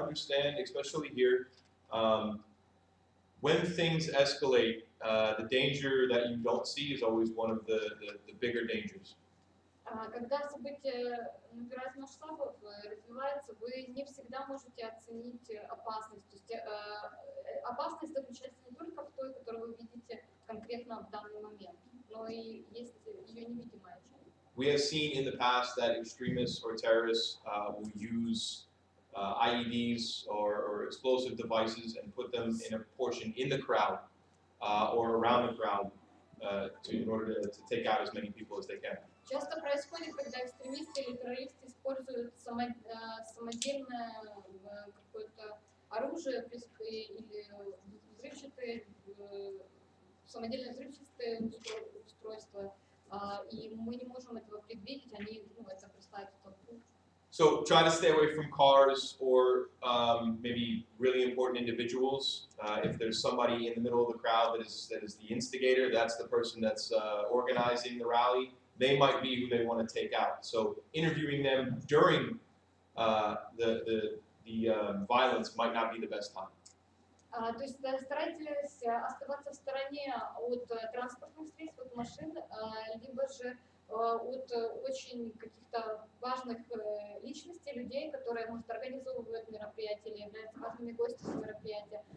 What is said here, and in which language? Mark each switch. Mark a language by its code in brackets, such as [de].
[en] Understand, especially here, when things escalate, the danger that you don't see is always one of the bigger dangers. [ru] Когда события набирают масштабов, развиваются, вы не всегда можете оценить опасность. То есть опасность заключается не только в той, которую вы видите конкретно в данный момент, но и есть ее невидимая часть. [en] We have seen in the past that extremists or terrorists will use IEDs or explosive devices and put them in a portion in the crowd or around the crowd in order to take out as many people as they can. [ru] Часто происходит, когда экстремисты или террористы используют самодельное какое-то оружие или самодельное взрывчатое устройство, и мы не можем этого предвидеть, они это представят в толпу. [en] So try to stay away from cars or maybe really important individuals. If there's somebody in the middle of the crowd that is the instigator, that's the person that's organizing the rally. They might be who they want to take out. So interviewing them during the violence might not be the best time. [ru] То есть старайтесь оставаться в стороне от транспортных средств, от машин, либо же от очень каких-то важных личностей, людей, которые может организовывают мероприятия или являются важными гостями мероприятия.